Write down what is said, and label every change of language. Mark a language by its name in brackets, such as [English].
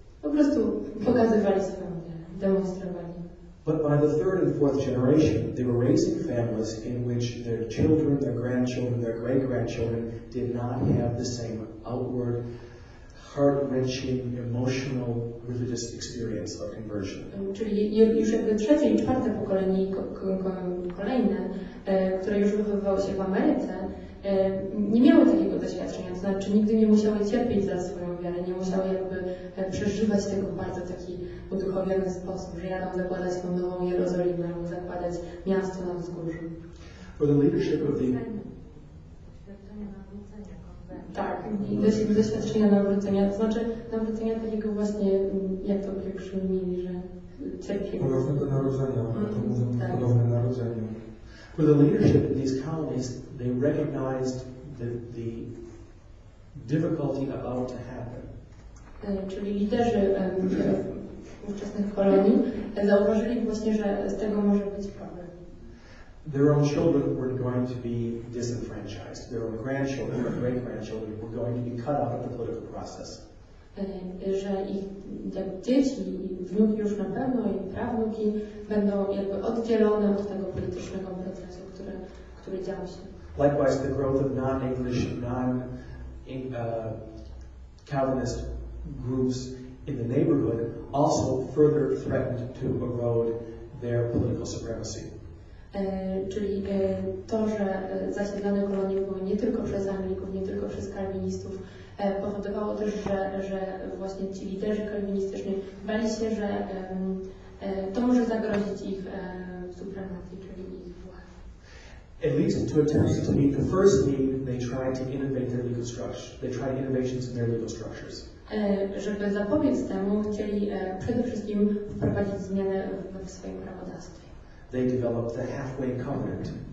[Polish] Po prostu pokazywali swoją wiarę, demonstrowali. [English] But by the third and fourth generation, they were raising families in which their children, their grandchildren, their great-grandchildren did not have the same outward, heart-wrenching, emotional, religious experience of conversion. [Polish] Czyli już jakby trzecie i czwarte pokolenie, kolejne, które już wychowywało się w Ameryce, nie miały takiego doświadczenia, to znaczy nigdy nie musiały cierpieć za swoją wiarę, nie musiały jakby przeżywać tego bardzo taki uduchowiony sposób, że jadą zakładać tą nową Jerozolimę, albo zakładać miasto na wzgórzu. [English] For the leadership of the... [Polish] Tak, doświadczenia nawrócenia, to znaczy nawrócenia takiego właśnie, jak to przypomnieli, że cierpieli. Podobne do narodzenia, tak. Podobne narodzenie. [English] For the leadership of these colonies, they recognized the difficulty about to happen. [Polish] Czyli liderzy ówczesnych kolonii zauważyli właśnie, że z tego może być problem. [English] Their own children were going to be disenfranchised. Their own grandchildren, their great-grandchildren were going to be cut out of the political process. [Polish] Że ich jak dzieci i wnuki już na pewno i prawnuki będą jakby oddzielone od tego politycznego procesu, który działo się. [English] Likewise, the growth of non-English, non-Calvinist groups in the neighborhood also further threatened to erode their political supremacy. [Polish] Czyli to, że zasiedlane kolonie były nie tylko przez Anglików, nie tylko przez Kalwinistów, powodowało też, że właśnie ci liderzy kalwinistyczni bali się, że to może zagrozić ich supremacji, czyli ich władzy. [English] At least to attempt to meet the first need, they tried to innovate their legal structure. They tried innovations in their legal structures. [Polish] Żeby zapobiec temu, chcieli przede wszystkim wprowadzić zmiany w swoim prawodawstwie. [English] They developed the halfway covenant.